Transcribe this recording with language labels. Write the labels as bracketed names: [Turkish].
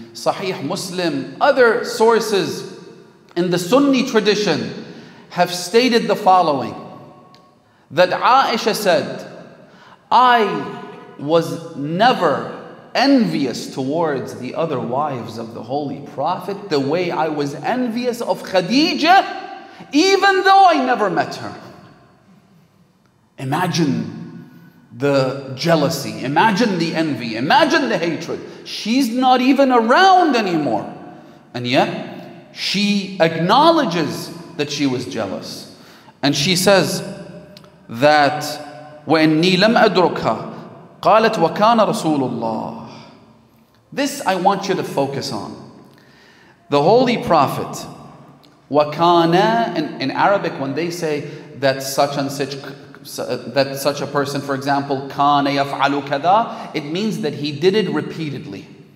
[English] Sahih Muslim, other sources in the Sunni tradition have stated the following, that Aisha said, I was never envious towards the other wives of the Holy Prophet the way I was envious of Khadija, even though I never met her. Imagine the jealousy, imagine the envy, imagine the hatred. She's not even around anymore. And yet, she acknowledges that she was jealous. [Arabic] And she says that, وَإِنِّي لَمْ أَدْرُكَ قَالَتْ وَكَانَ رَسُولُ اللَّهِ. [English] This I want you to focus on. The Holy Prophet, wakana, in Arabic, when they say that such and such, that such a person, for example, [Arabic] kana yaf'alu kada, [English] it means that he did it repeatedly.